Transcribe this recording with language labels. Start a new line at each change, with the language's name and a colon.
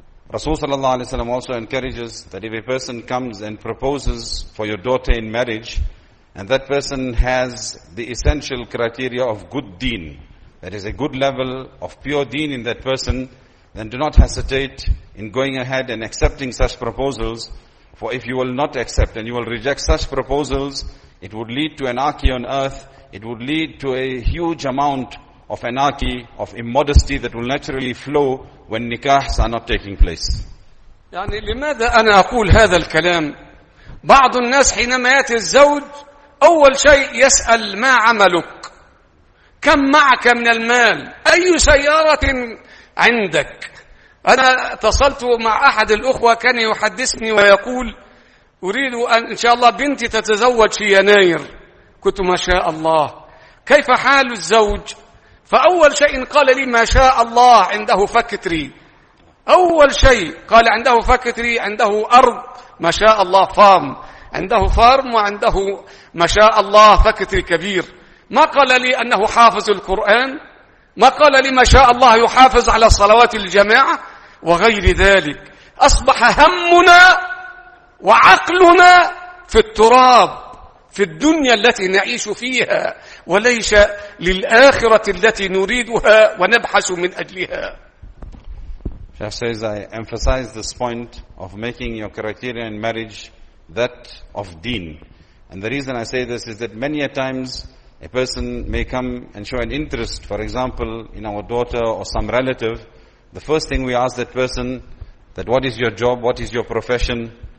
English: Rasul sallallahu alayhi wa sallam also encourages that if a person comes and proposes for your daughter in marriage, and that person has the essential criteria of good deen, that is a good level of pure deen in that person, then do not hesitate in going ahead and accepting such proposals. For if you will not accept and you will reject such proposals, it would lead to anarchy on earth. It would lead to a huge amount of anarchy, of immodesty that will naturally flow when nikahs are not taking place.
Arabic: يعني لماذا أنا أقول هذا الكلام؟ بعض الناس حينما يأتي الزوج أول شيء يسأل ما عملك؟ كم معك من المال؟ أي سيارة عندك؟ أنا اتصلت مع أحد الأخوة كان يحدثني ويقول أريد أن إن شاء الله بنتي تتزوج في يناير. كنت ما شاء الله كيف حال الزوج؟ فأول شيء قال لي ما شاء الله عنده فكتري. أول شيء قال عنده فكتري، عنده أرض ما شاء الله فارم، عنده فارم وعنده ما شاء الله فكتري كبير. ما قال لي أنه حافظ القرآن، ما قال لي ما شاء الله يحافظ على صلوات الجماعة وغير ذلك. أصبح همنا وعقلنا في التراب، في الدنيا التي نعيش فيها، وليس للآخرة التي نريدها ونبحث من أجلها.
English: Sheikh says, I emphasize this point of making your criteria in marriage that of deen. And the reason I say this is that many a times a person may come and show an interest, for example, in our daughter or some relative. The first thing we ask that person, that what is your job, what is your profession?